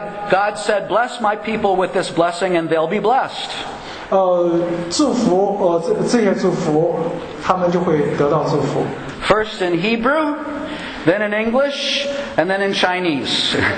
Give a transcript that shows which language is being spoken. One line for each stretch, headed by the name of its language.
English: God said, "Bless my people with this blessing, and they'll be blessed."
Chinese: 祝福这些祝福，他们就会得到祝福。
English: First in Hebrew, then in English, and then in Chinese.